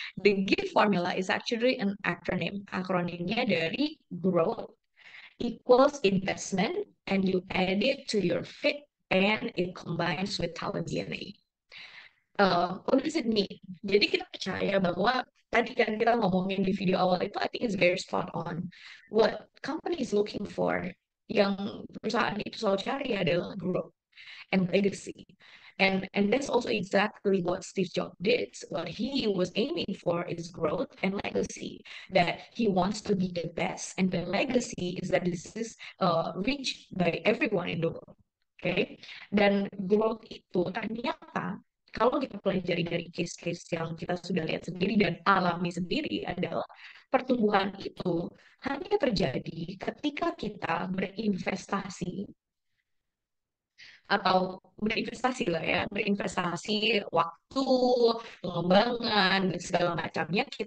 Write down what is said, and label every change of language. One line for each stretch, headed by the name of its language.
English: The gift formula is actually an acronym.
Indonesian: Akronimnya dari
English: growth equals investment and you add it to your fit and it combines with talent DNA. What does it mean?
Indonesian: Jadi kita percaya bahwa tadi kan kita ngomongin di video awal itu,
English: I think it's very spot on. What company is looking for,
Indonesian: yang perusahaan itu selalu cari adalah
English: growth and legacy. And that's also exactly what Steve Jobs did. What he was aiming for is growth and legacy, that he wants to be the best. And the legacy is that this is reached by everyone in the world. Okay?
Indonesian: Dan growth itu ternyata kalau kita pelajari dari case-case yang kita sudah lihat sendiri dan alami sendiri adalah pertumbuhan itu hanya terjadi ketika kita berinvestasi atau berinvestasi lah ya, berinvestasi waktu, pengembangan, dan segala macamnya.